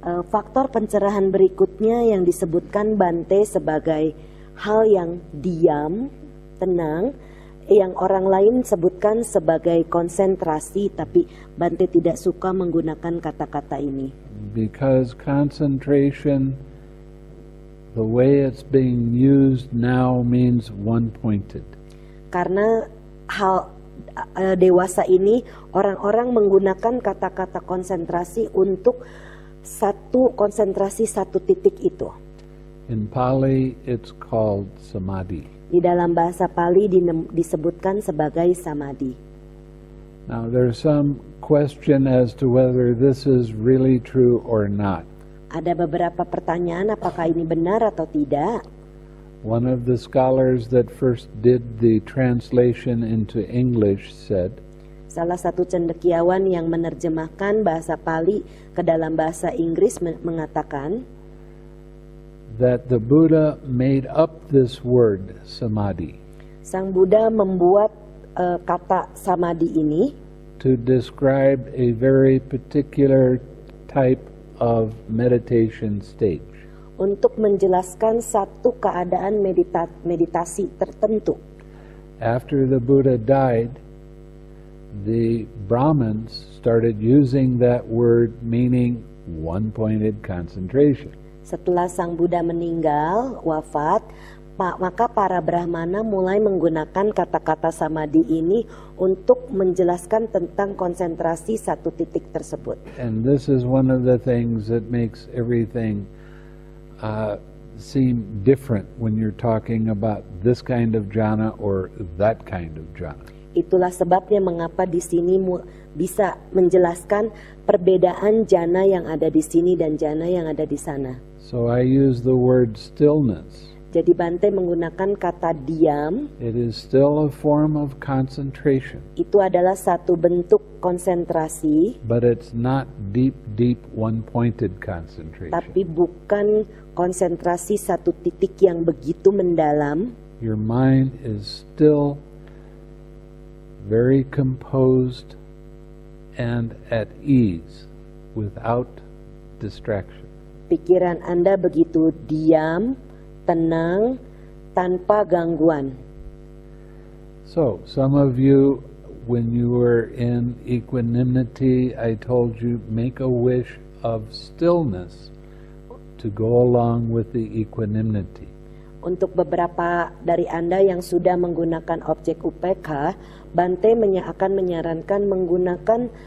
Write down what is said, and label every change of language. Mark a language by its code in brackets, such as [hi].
[id] Faktor pencerahan berikutnya yang disebutkan Bante sebagai hal yang diam, tenang, yang orang lain sebutkan sebagai konsentrasi, tapi Bante tidak suka menggunakan kata-kata ini. [en] Because concentration, the way it's being used now, means one-pointed. [id] Karena hal dewasa ini orang-orang menggunakan kata-kata konsentrasi untuk satu konsentrasi satu titik itu. [en] In Pali it's called samadhi. [id] Di dalam bahasa Pali disebutkan sebagai samadhi. [en] Now there's some question as to whether this is really true or not. [id] Ada beberapa pertanyaan apakah ini benar atau tidak. [en] One of the scholars that first did the translation into English said, [id] salah satu cendekiawan yang menerjemahkan bahasa Pali ke dalam bahasa Inggris mengatakan, [en] that the Buddha made up this word samadhi. [id] Sang Buddha membuat kata samadhi ini [en] to describe a very particular type of meditation state. [id] Untuk menjelaskan satu keadaan meditasi tertentu. [en] After the Buddha died, the Brahmins started using that word meaning one-pointed concentration. [id] Setelah Sang Buddha meninggal, wafat, maka para Brahmana mulai menggunakan kata-kata samadhi ini untuk menjelaskan tentang konsentrasi satu titik tersebut. [en] And this is one of the things that makes everything seem different when you're talking about this kind of jhana or that kind of jhana. [id] Itulah sebabnya mengapa di sini bisa menjelaskan perbedaan jhana yang ada di sini dan jhana yang ada di sana. [en] So I use the word stillness. [id] Jadi Bante menggunakan kata diam. [en] It is still a form of concentration. [id] Itu adalah satu bentuk konsentrasi. [en] But it's not deep, deep, one-pointed concentration. [id] Tapi bukan konsentrasi satu titik yang begitu mendalam. [en] Your mind is still very composed and at ease without distraction. [id] Pikiran Anda begitu diam, tenang, tanpa gangguan. [en] So, some of you, when you were in equanimity, I told you, make a wish of stillness to go along with the equanimity. [id] Untuk beberapa dari Anda yang sudah menggunakan objek UPK, Bante akan menyarankan menggunakan